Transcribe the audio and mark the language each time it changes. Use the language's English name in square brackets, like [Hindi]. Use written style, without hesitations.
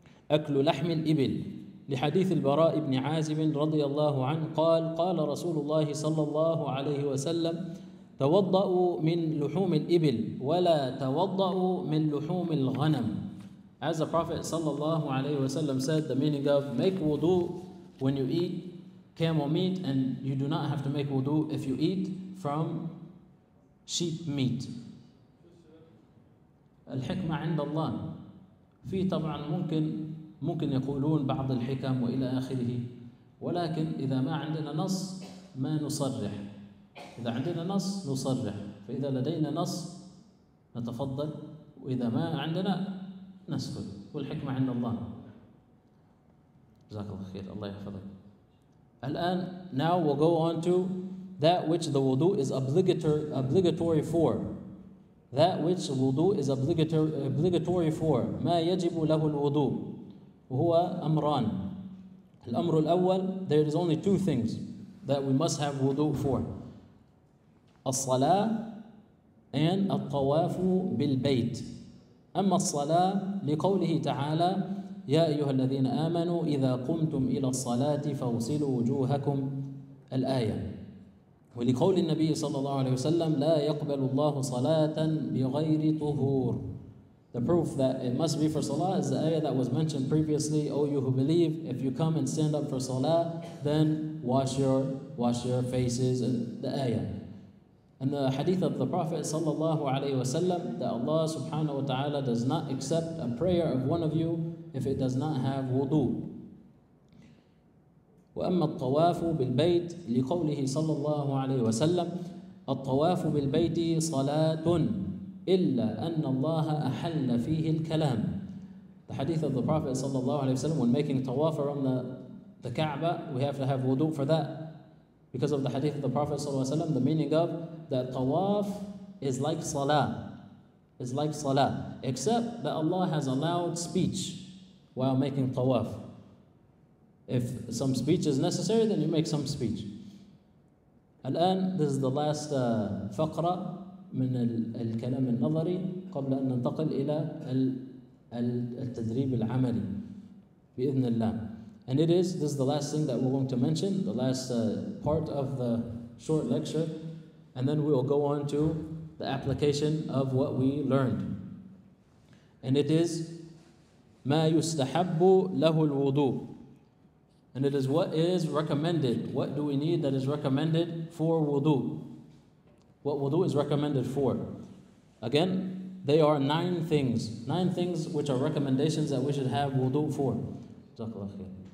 [Arabic] أَكْلُ لَحْمِ الْإِبِلِ لِحَدِيثِ الْبَرَاءِ بْنِ عَازِبٍ رَضِيَ اللَّهُ عَنْهُ قَالْ قَالَ رَسُولُ اللَّهِ صَلَّى اللَّهُ عَلَيْهِ وَسَلَّمْ تَوَضَّأُوا مِنْ لُحُومِ الْإِبِلِ وَلَا تَوَضَّأُوا مِنْ لُحُومِ الْغَنَمِ. [English] As the Prophet sallallahu alayhi wasallam said, the meaning of make wudu when you eat camel meat, and you do not have to make wudu if you eat from sheep meat. [Arabic] الحكمة عند الله. في طبعا ممكن يقولون بعض الحكم وإلى آخره، ولكن إذا ما عندنا نص ما نصرح. إذا عندنا نص نصرح، فإذا لدينا نص نتفضل، وإذا ما عندنا نسكت. والحكمة عند الله. جزاك الله خير، الله يحفظك. الآن [English] now we'll go on to that which the wudu is obligatory for. That which wudu is obligatory for. [Arabic] ما يجب له الوضوء وهو أمران. الأمر الأول, [English] there is only two things that we must have wudu for. [Arabic] الصلاة and الطواف بالبيت. أما الصلاة لقوله تعالى يا أيها الذين آمنوا إذا قمتم إلى الصلاة فاغسلوا وجوهكم الآية. ولقول النبي صلى الله عليه وسلم لا يقبل الله صلاة بغير طهور. [English] The proof that it must be for salah is the ayah that was mentioned previously. O you who believe, if you come and stand up for salah, then wash your faces. The ayah. And the hadith of the Prophet sallallahu alayhi wa sallam that Allah subhanahu wa ta'ala does not accept a prayer of one of you if it does not have wudu. [Arabic] وَأَمَّا الطَّوَافُ بِالْبَيْتِ لِقَوْلِهِ صَلَّى اللَّهُ عَلَيْهِ وَسَلَّمَ الطَّوَافُ بِالْبَيْتِ صَلَاةٌ إِلَّا أَنَّ اللَّهَ أَحَلَّ فِيهِ الْكَلَامِ. [English] The hadith of the Prophet صلى الله عليه وسلم, when making tawaf around the Kaaba, we have to have wudu for that. Because of the hadith of the Prophet صلى الله عليه وسلم, the meaning of that tawaf is like salah. It's like salah. Except that Allah has allowed speech while making tawaf. If some speech is necessary, then you make some speech. [Arabic] الآن, [English] this is the last [Arabic] فقرة من الكلام النظري قبل أن ننتقل إلى التدريب العملي بإذن الله. [English] And it is, this is the last thing that we're going to mention, the last part of the short lecture, and then we will go on to the application of what we learned. And it is [Arabic] ما يستحب له الوضوء. [English] And it is what is recommended. What do we need that is recommended for wudu? What wudu is recommended for? Again, they are nine things. Nine things which are recommendations that we should have wudu for. JazakAllah khair.